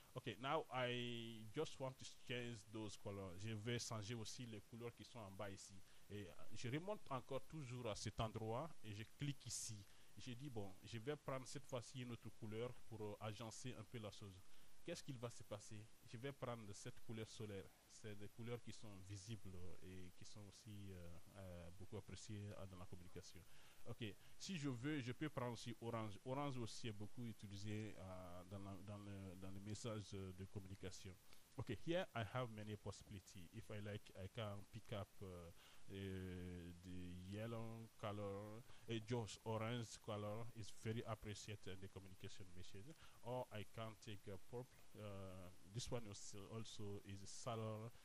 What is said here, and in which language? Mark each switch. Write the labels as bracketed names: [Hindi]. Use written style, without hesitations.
[English] Okay, now I just want to change those colors. [French] Je vais changer aussi les couleurs qui sont en bas ici. Et je remonte encore toujours à cet endroit et je clique ici. Je dis bon, je vais prendre cette fois-ci une autre couleur pour agencer un peu la chose. Qu'est-ce qu'il va se passer? Je vais prendre cette couleur solaire. C'est des couleurs qui sont visibles et qui sont aussi beaucoup appréciées dans la communication. OK. Si je veux, je peux prendre aussi orange. Orange aussi est beaucoup utilisé dans les messages de communication. [English] OK. Here, I have many possibilities. If I like, I can pick up the yellow color. Just orange color is very appreciated in the communication message. Or I can take a purple. This one is also is a color.